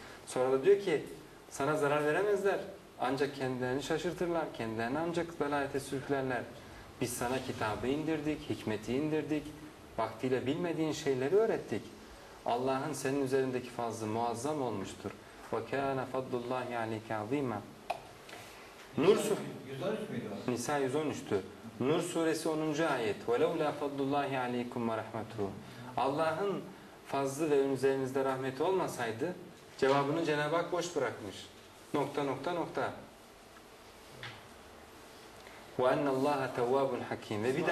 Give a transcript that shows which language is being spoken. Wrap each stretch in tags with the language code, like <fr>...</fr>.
<tr>Sonra da diyor ki sana zarar veremezler. Ancak kendilerini şaşırtırlar. Kendilerini ancak dalalete sürüklerler. Biz sana kitabı indirdik, hikmeti indirdik. Vaktiyle bilmediğin şeyleri öğrettik. Allah'ın senin üzerindeki fazlı muazzam olmuştur.</tr> <ar>وَكَانَ فَضُّ اللّٰهِ عَلَيْكَ عَظِيمًا Nur</ar> <tr>suresi... Nisa 113'tü. Nur suresi 10. ayet.</tr> <ar>وَلَوْ لَا فَضُّ اللّٰهِ عَلَيْكُمْ وَرَحْمَتُهُ</ar> <tr>Allah'ın fazlı ve üzerinizde rahmeti olmasaydı Cevabını Cenab-ı Hak boş bırakmış. Nokta nokta nokta.</tr> <ar>Ve ennallâhe tevvâbun hakîm.</ar> <tr>Ve bir de</tr>